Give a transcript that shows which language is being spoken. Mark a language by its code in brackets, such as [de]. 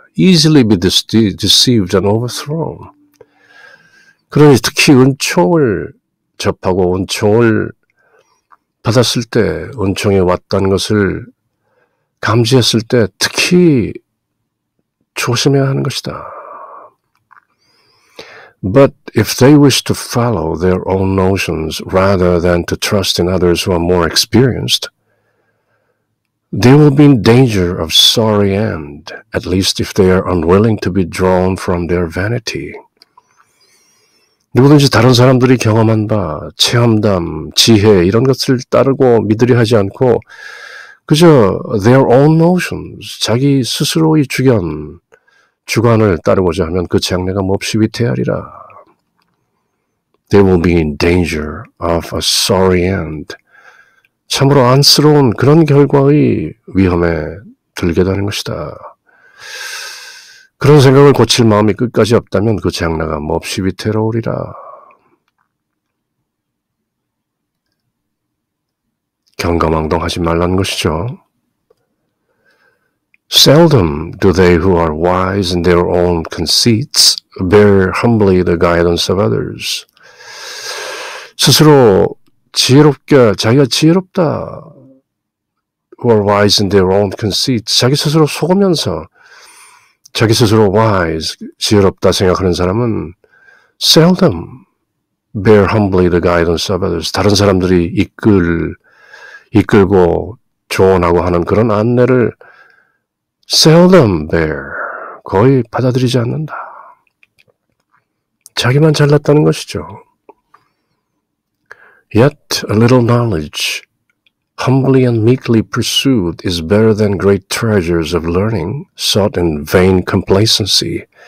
[en] Easily be deceived and overthrown. [ko] 그러니 특히 은총을 접하고 은총을 받았을 때 은총이 왔다는 것을 감지했을 때 특히 조심해야 하는 것이다. [en] But if they wish to follow their own notions rather than to trust in others who are more experienced, they will be in danger of sorry end, at least if they are unwilling to be drawn from their vanity. [ko] 누구든지 다른 사람들이 경험한 바, 체험담, 지혜 이런 것을 따르고 믿으려 하지 않고 그저 [en] their own notions, [ko] 자기 스스로의 주견, 주관을 따르고자 하면 그 장래가 몹시 위태하리라. [en] They will be in danger of a sorry end. [ko] 참으로 안쓰러운 그런 결과의 위험에 들게 되는 것이다. 그런 생각을 고칠 마음이 끝까지 없다면 그 장래가 몹시 위태로우리라. 경거망동하지 말라는 것이죠. [en] Seldom do they who are wise in their own conceits bear humbly the guidance of others. [ko] 스스로 지혜롭게 자기가 지혜롭다. [en] Who are wise in their own conceits. [ko] 자기 스스로 속으면서 자기 스스로 [en] wise, [ko] 지혜롭다 생각하는 사람은 [en] seldom bear humbly the guidance of others. [ko] 다른 사람들이 이끌고 조언하고 하는 그런 안내를 [en] seldom bear, [ko] 거의 받아들이지 않는다. 자기만 잘났다는 것이죠. [en] Yet a little knowledge, humbly and meekly pursued, is better than great treasures of learning, sought in vain complacency.